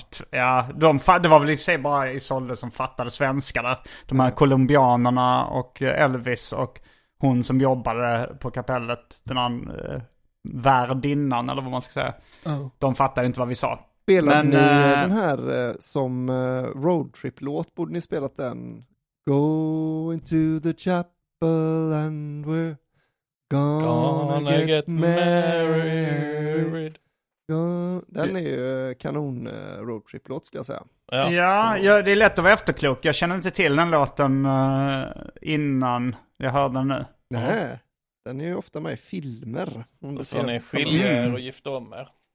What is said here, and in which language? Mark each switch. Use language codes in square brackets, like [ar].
[sv] Ja, det var väl i sig bara Isolde som fattade svenska där. De här kolumbianerna och Elvis och hon som jobbade på kapellet, den här värdinnan eller vad man ska säga. Oh. De fattade inte vad vi sa. Spelade ni den här som roadtrip-låt? Borde ni spelat den? [en] Go into the chapel and we're gonna get married. [sv] Den är ju kanon roadtrip-låt skulle jag säga. Ja, det är lätt att vara efterklok. Jag känner inte till den låten innan jag hörde den nu. Nej, den är ju ofta med i filmer. Om du ser. Så ni skiljer och gifter om er.